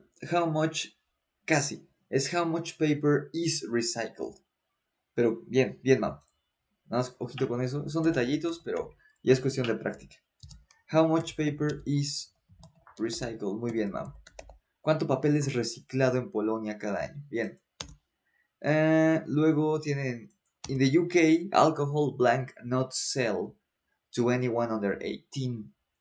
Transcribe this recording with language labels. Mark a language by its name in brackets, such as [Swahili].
[English] How much, [Spanish] casi, es [English] how much paper is recycled. [Spanish] Pero bien, bien, Mau. Nada más, ojito con eso. Son detallitos, pero ya es cuestión de práctica. [English] How much paper is recycled. [Spanish] Muy bien, Mau. ¿Cuánto papel es reciclado en Polonia cada año? Bien. Luego tienen... [English] In the UK, alcohol blank not sell to anyone under 18.